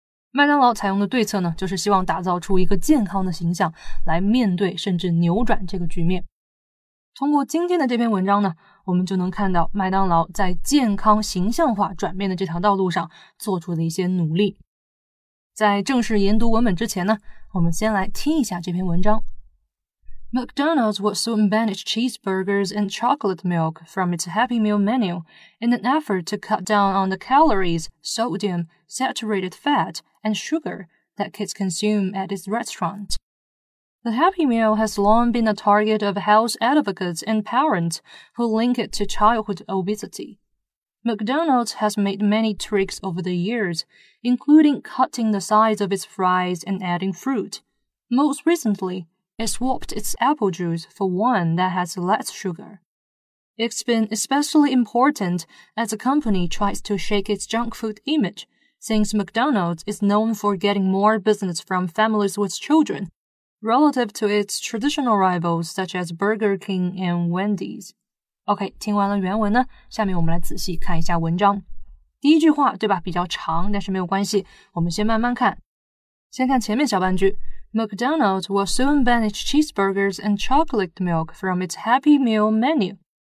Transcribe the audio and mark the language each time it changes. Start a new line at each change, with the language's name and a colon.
Chinese: 麦当劳采用的对策呢，就是希望打造出一个健康的形象来面对甚至扭转这个局面。通过今天的这篇文章呢，我们就能看到麦当劳在健康形象化转变的这条道路上做出的一些努力。在正式研读文本之前呢，我们先来听一下这篇文章。
English: McDonald's would soon banish cheeseburgers and chocolate milk from its Happy Meal menu in an effort to cut down on the calories, sodium, saturated fat, and sugar that kids consume at its restaurant. The Happy Meal has long been a target of health advocates and parents who link it to childhood obesity. McDonald's has made many tricks over the years, including cutting the size of its fries and adding fruit. Most recently, it swapped its apple juice for one that has less sugar. It's been especially important as the company tries to shake its junk food image, since McDonald's is known for getting more business from families with children,relative to its traditional rivals such as Burger King and Wendy's.
Chinese: OK, 听完了原文呢，下面我们来仔细看一下文章。第一句话，对吧，比较长，但是没有关系，我们先慢慢看。先看前面小半句，
English: McDonald's will soon banish cheeseburgers and chocolate milk from its Happy Meal menu.